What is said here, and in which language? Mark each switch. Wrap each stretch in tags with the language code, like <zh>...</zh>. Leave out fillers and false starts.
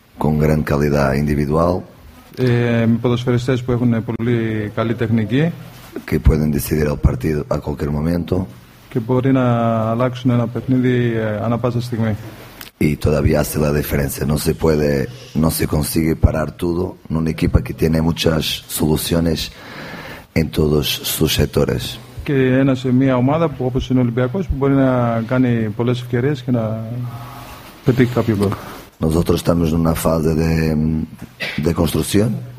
<es>con gran calidad individual. En</es> <el>ποδοσφαιριστές που έχουν πολύ καλή τεχνική.</el> <es>Que pueden decidir el partido a cualquier momento. Que</es> <el>μπορεί να αλλάξουν ένα παιχνίδι ανά πάσα στιγμή.</el> <es>Y todavía hace la diferencia. No se puede, no se consigue parar todo en un equipo que tiene muchas soluciones en todos sus sectores.</es> <el>Και ένα σε μια ομάδα που όπως είναι ο Ολυμπιακός που μπορεί να κάνει πολλές ευκαιρίες και να πετύχει κάποιο γκολ.</el> <es>Nosotros estamos en una fase de construcción.</es>